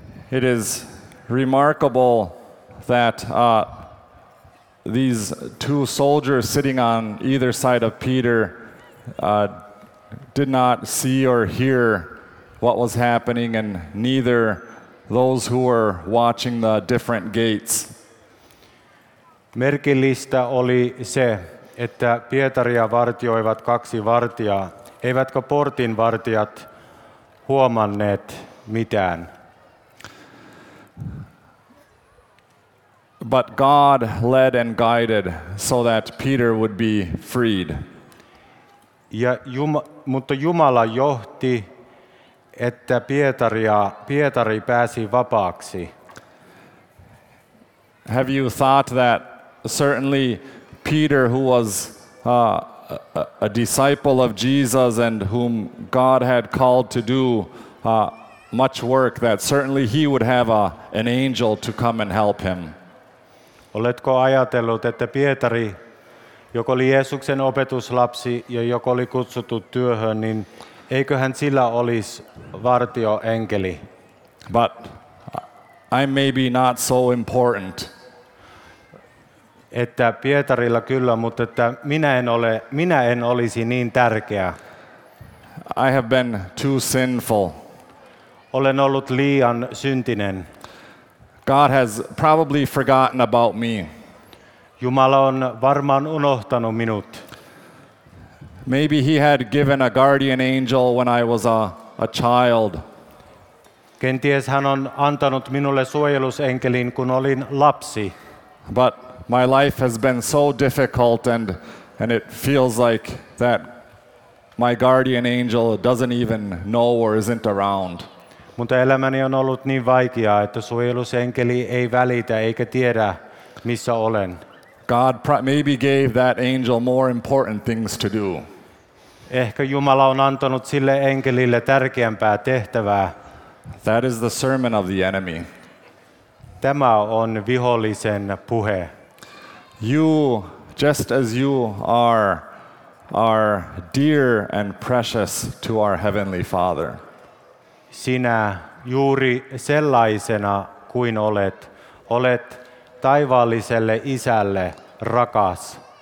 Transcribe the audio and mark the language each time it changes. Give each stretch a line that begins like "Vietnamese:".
English: It is remarkable that these two soldiers sitting on either side of Peter did not see or hear what was happening, and neither those who were watching the different gates.
Finnish: Merkillistä oli se, että Pietaria vartioivat kaksi vartijaa, eivätkä portin vartijat huomanneet mitään.
English: But God led and guided so that Peter would be freed.
Finnish: Mutta Jumala johti, että Pietari pääsi vapaaksi.
English: Have you thought that certainly Peter, who was a disciple of Jesus and whom God had called to do much work, that certainly he would have an angel to come and help him?
Finnish: Oletko ajatellut, että Pietari, joka oli Jeesuksen opetuslapsi ja joka oli kutsuttu työhön, niin eiköhän sillä olisi vartioenkeli?
English: But I may be not so important.
Finnish: Että Pietarilla kyllä, mutta että minä en olisi niin tärkeä.
English: I have been too sinful.
Finnish: Olen ollut liian syntinen.
English: God has probably forgotten about me.
Finnish: Jumala on varmaan unohtanut minut.
English: Maybe he had given a guardian angel when I was a child.
Finnish: Kenties hän on antanut minulle suojelusenkelin, kun olin lapsi.
English: But my life has been so difficult, and it feels like that my guardian angel doesn't even know or isn't around.
Finnish: Mutta elämäni on ollut niin vaikeaa, että suojelusenkeli ei välitä eikä tiedä, missä olen.
English: God maybe gave that angel more important things to do.
Finnish: Ehkä Jumala on antanut sille enkelille tärkeämpää tehtävää.
English: That is the sermon of the enemy.
Finnish: Tämä on vihollisen puhe.
English: You, just as you are dear and precious to our heavenly Father.
Finnish: Sinä juuri sellaisena kuin olet taivaalliselle isälle rakas.